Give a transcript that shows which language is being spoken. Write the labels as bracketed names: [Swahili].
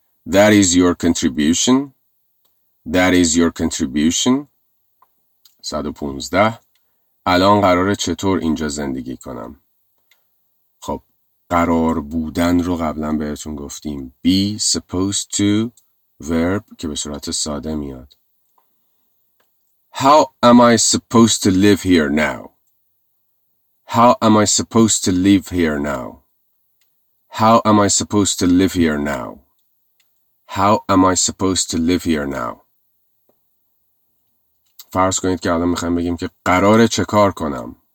[English] That is your contribution. That is your contribution. [Persian] 115 الان قراره چطور اینجا زندگی کنم؟ خب قرار بودن رو قبلا بهتون گفتیم. [English] Be supposed to verb [Persian] که به صورت ساده میاد. [English] How am I supposed to live here now? How am I supposed to live here now? How am I supposed to live here now? How am I supposed to live here now? [Persian] فرض کنید که الان میخوایم بگیم که قراره چه کار کنم.